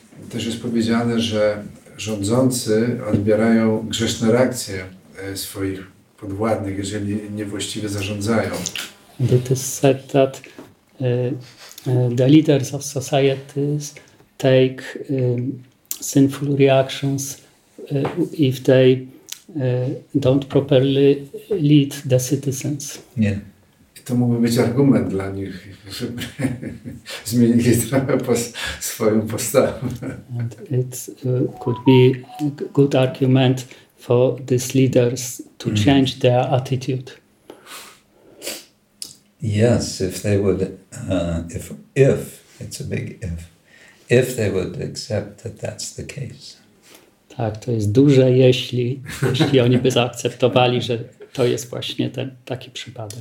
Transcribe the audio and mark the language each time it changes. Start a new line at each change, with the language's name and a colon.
Polish: Też jest powiedziane, że rządzący odbierają grzeszne reakcje swoich podwładnych, jeżeli niewłaściwie zarządzają.
English: It is said that the leaders of societies take sinful reactions if they don't properly lead the citizens. Yeah.
Polish: To mógłby być argument dla nich, żeby zmienili trochę swoją postawę. And it could be a good argument for these leaders to change their attitude.
English: Yes, if they would, if it's a big if they would accept that that's the case.
Polish: Tak, to jest duże jeśli, jeśli oni by zaakceptowali, że to jest właśnie ten taki przypadek.